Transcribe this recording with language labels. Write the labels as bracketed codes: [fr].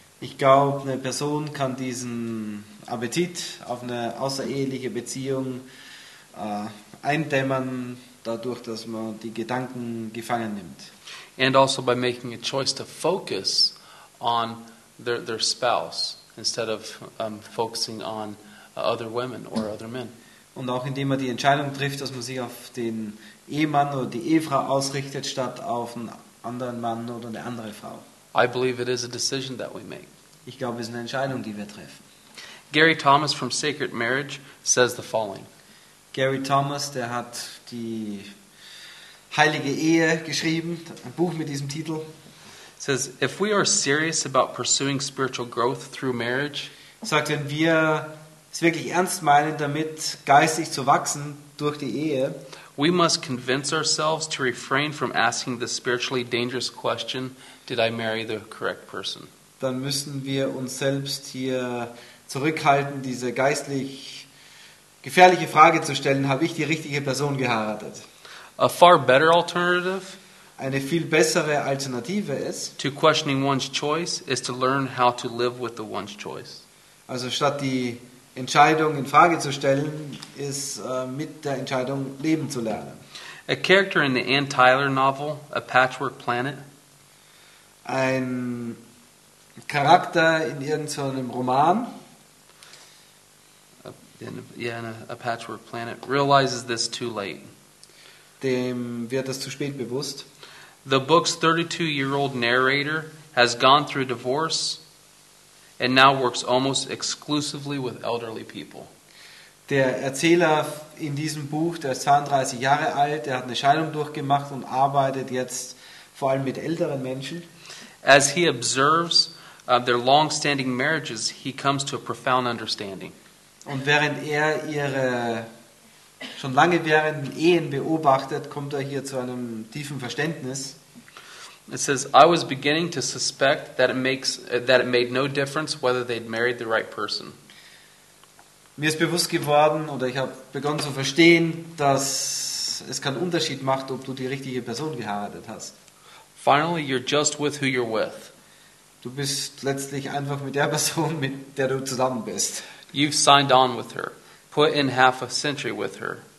[de] Ich glaube, eine Person kann diesen Appetit auf eine außereheliche Beziehung eindämmen, dadurch, dass man die Gedanken gefangen nimmt. [en] And also by making a choice to focus on their spouse instead of focusing on other women or other men. [de] Und auch indem man die Entscheidung trifft, dass man sich auf den Ehemann oder die Ehefrau ausrichtet statt auf einen anderen Mann oder eine andere Frau. [en] I believe it is a decision that we make. [de] Ich glaube, es ist eine Entscheidung, die wir treffen. [en] Gary Thomas from Sacred Marriage says the following. [de] Gary Thomas, der hat die Heilige Ehe geschrieben, ein Buch mit diesem Titel. [en] Says if we are serious about pursuing spiritual growth through marriage, [de] sagt, wenn wir es wirklich ernst meinen damit geistig zu wachsen durch die Ehe, [en] we must convince ourselves to refrain from asking the spiritually dangerous question, did I marry the correct person? [de] Dann müssen wir uns selbst hier zurückhalten, diese geistlich gefährliche Frage zu stellen, habe ich die richtige Person geheiratet? [en] A far better alternative. [de] Eine viel bessere Alternative ist, [en] to questioning one's choice is to learn how to live with the one's choice. [de] Also statt die Entscheidung in Frage zu stellen, ist mit der Entscheidung leben zu lernen. [en] A character in the Anne Tyler novel, A Patchwork Planet. [de] Ein Charakter in irgendeinem Roman. [en] In a Patchwork Planet realizes this too late. [de] Dem wird das zu spät bewusst. [en] The book's 32-year-old narrator has gone through divorce and now works almost exclusively with elderly people. [de] Der Erzähler in diesem Buch, der ist 32 Jahre alt, der hat eine Scheidung durchgemacht und arbeitet jetzt vor allem mit älteren Menschen. [en] As he observes their long-standing marriages, he comes to a profound understanding. [de] Und während er ihre schon lange währenden Ehen beobachtet, kommt er hier zu einem tiefen Verständnis. [en] It says, I was beginning to suspect that it made no difference whether they'd married the right person. [de] Mir ist bewusst geworden, oder ich habe begonnen zu verstehen, dass es keinen Unterschied macht, ob du die richtige Person geheiratet hast. [en] Finally, you're just with who you're with. [de] Du bist letztlich einfach mit der Person, mit der du zusammen bist. [en] You've signed on with her. Put in half a century with her.